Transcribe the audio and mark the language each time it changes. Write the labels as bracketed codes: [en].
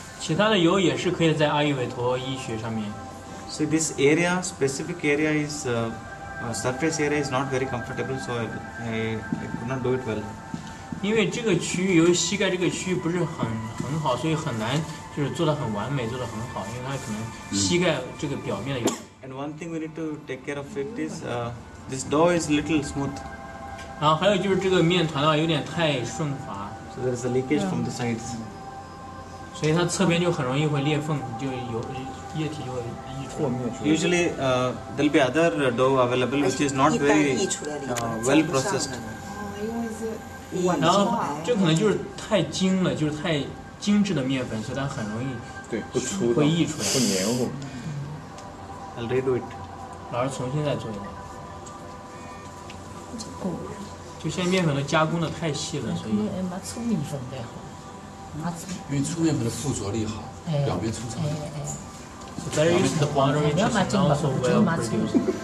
[zh] 其他的油也是可以在阿育吠陀医学上面。 [en] So this area, specific area is... surface area is not very comfortable, so I could not do it well. [zh] 因为这个区域由于膝盖这个区域不是很好，所以很难就是做得很完美，做得很好，因为它可能膝盖这个表面的。 [en] And one thing we need to take care of it is this dough is little smooth. [zh] 然后还有就是这个面团啊有点太顺滑。 [en] So there is a leakage from the sides. [zh] 所以它侧边就很容易会裂缝，就有。液体就会溢出。 [en] Usually, there'll be other dough available which is not very well processed. [zh] 然后，这可能就是太精了，就是太精致的面粉，所以它很容易会溢出来，不粘糊。 [en] I'll redo it. [zh] 老师重新再做一遍。就现在面粉都加工的太细了，所以。那粗面粉最好。因为粗面粉的附着力好，表面粗糙。 [en] So there is the powder which is not so well produced.